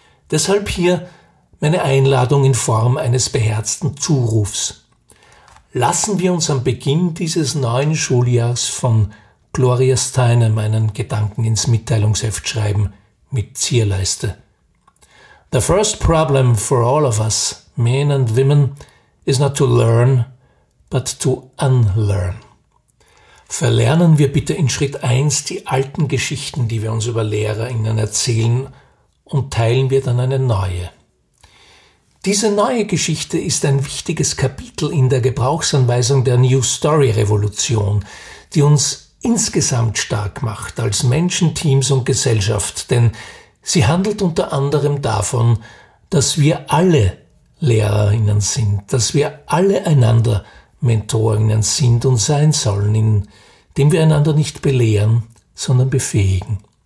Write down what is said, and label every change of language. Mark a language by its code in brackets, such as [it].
[de] Deshalb hier meine Einladung in Form eines beherzten Zurufs. Lassen wir uns am Beginn dieses neuen Schuljahrs von Gloria Steinem meinen Gedanken ins Mitteilungsheft schreiben, mit Zierleiste. [en] The first problem for all of us, men and women, is not to learn, but to unlearn. [de] Verlernen wir bitte in Schritt 1 die alten Geschichten, die wir uns über LehrerInnen erzählen, und teilen wir dann eine neue. Diese neue Geschichte ist ein wichtiges Kapitel in der Gebrauchsanweisung der New Story Revolution, die uns insgesamt stark macht als Menschen, Teams und Gesellschaft, denn sie handelt unter anderem davon, dass wir alle LehrerInnen sind, dass wir alle einander MentorInnen sind und sein sollen, indem wir einander nicht belehren, sondern befähigen.